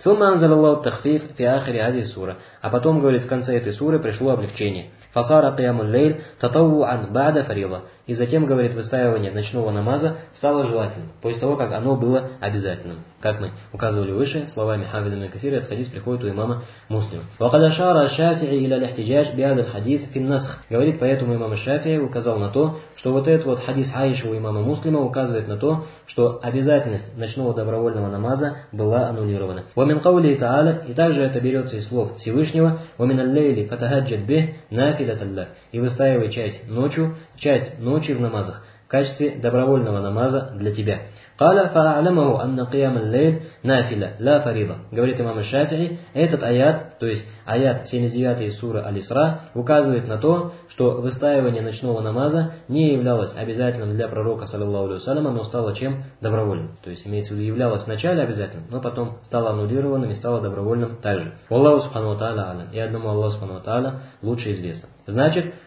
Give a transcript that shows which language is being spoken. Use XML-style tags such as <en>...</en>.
<ar>Сумма анзалаллаху тахфиф фи ахри хадзихи сура.</ar> <ru>А потом, говорит, в конце этой суры пришло облегчение.</ru> <ar>Фасара киямуль лейл татаввуан баъда фарида.</ar> <ru>И затем, говорит, выстаивание ночного намаза стало желательным, после того, как оно было обязательным. Как мы указывали выше, словами Хафиза ибн Касира, этот хадис приходит у имама Муслима.</ru> <ar>وقد أشار الشافعي إلى الاحتجاج بهذا الحديث في النسخ.</ar> <ru>Говорит, поэтому имам Шафии указал на то, что вот этот вот хадис Аиши у имама Муслима указывает на то, что обязательность ночного добровольного намаза была аннулирована.</ru> <ar>ومن قوله تعالى,</ar> <ru>и также это берется из слов Всевышнего,</ru> <ar>ومن الليل فتهجد به نافلة له,</ar> <ru>и выстаивай часть ночи в намазах в качестве добровольного намаза для тебя.</ru> <ar>قال فأعلمه أن قيام الليل نافلة لا فريضة.</ar> <ru>Говорит имам аш-Шафии, этот аят, то есть аят 79 суры Аль-Исра, указывает на то, что выстаивание ночного намаза не являлось обязательным для пророка, саллаллаху алейхи ва саллям, но стало чем? Добровольным. То есть имеется в виду, являлось вначале обязательным, но потом стало аннулированным и стало добровольным также. Валлаху субхану ва тааля алям. И одному Аллаху субхану ва тааля лучше известно. Значит,</ru>